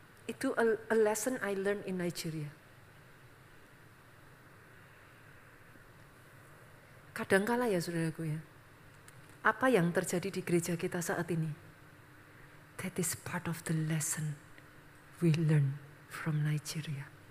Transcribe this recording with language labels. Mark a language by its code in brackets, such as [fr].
[en] Itu a lesson I learned in Nigeria. [id] Kadangkala ya saudaraku ya, apa yang terjadi di gereja kita saat ini, [en] that is part of the lesson we learn from Nigeria.